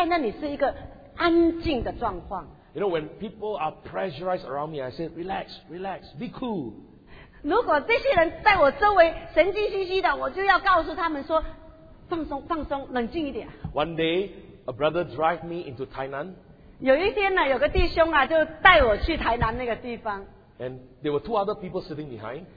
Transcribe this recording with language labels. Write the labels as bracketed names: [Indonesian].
[Chinese] 而是说到我们灵里面的深处必须要是在那里是一个安静的状况。 [English] You know, when people are pressurized around me, I say, relax, relax, be cool. [Chinese] 如果这些人在我周围神经兮兮的，我就要告诉他们说，放松，放松，冷静一点。 [English] One day, a brother drive me into Tainan. [Chinese] 有一天呢，有个弟兄啊，就带我去台南那个地方。 [English] And there were two other people sitting behind.